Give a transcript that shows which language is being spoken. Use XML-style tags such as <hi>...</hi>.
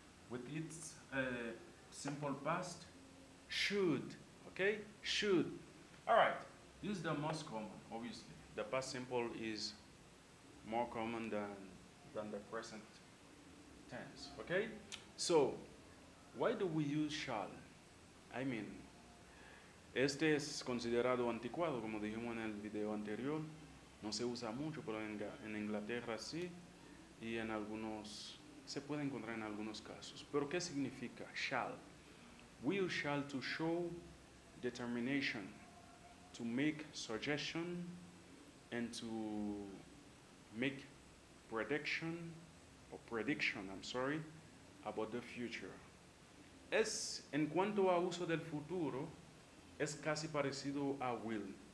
<en>With its simple past. Should. Okay? Should. All right. This is the most common, obviously. The past simple is more common than the present tense. Okay? So, why do we use shall?</en> <es>I mean, este es considerado anticuado, como dijimos en el video anterior. No se usa mucho, pero en Inglaterra sí. Y en algunos, se puede encontrar en algunos casos. Pero, ¿qué significa shall? We shall to show</es> <en>determination to make suggestion and to make prediction or prediction, I'm sorry, about the future.</en> <es>Es en cuanto a uso del futuro, es casi parecido a will.</es>